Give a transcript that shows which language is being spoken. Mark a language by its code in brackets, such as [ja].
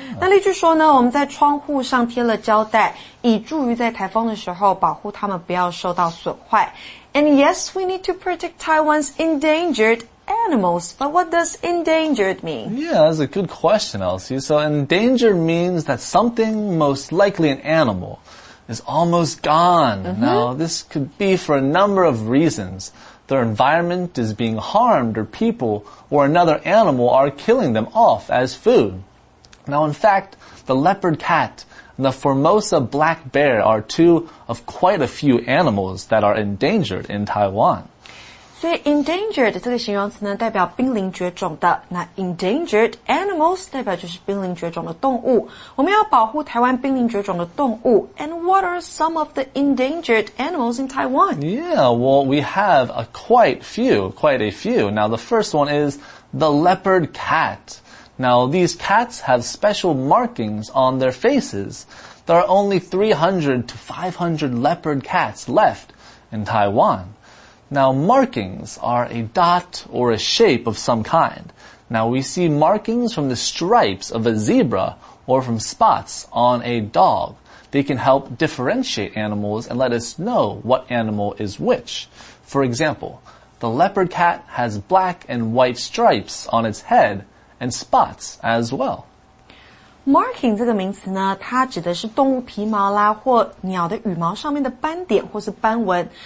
[zh] 那例句说呢，我们在窗户上贴了胶带，以助于在台风的时候保护它们不要受到损坏。 [en] And yes, we need to protect Taiwan's endangered animals. But what does endangered mean? Yeah, that's a good question, Elsie. So endangered means that something, most likely an animal,is almost gone. Mm-hmm. Now, this could be for a number of reasons. Their environment is being harmed, or people or another animal are killing them off as food. Now, in fact, the leopard cat and the Formosa black bear are two of quite a few animals that are endangered in Taiwan. [zh] 所以 endangered 这个形容词呢代表濒临绝种的，那 endangered animals 代表就是濒临绝种的动物。我们要保护台湾濒临绝种的动物。 [en] And what are some of the endangered animals in Taiwan? Yeah, well, we have quite a few. Now, the first one is the leopard cat. Now, these cats have special markings on their faces. There are only 300 to 500 leopard cats left in Taiwan. Now, markings are a dot or a shape of some kind. Now, we see markings from the stripes of a zebra or from spots on a dog. They can help differentiate animals and let us know what animal is which. For example, the leopard cat has black and white stripes on its head and spots as well. [zh] Marking 这个名词呢，它指的是动物皮毛啦，或鸟的羽毛上面的斑点或是斑纹。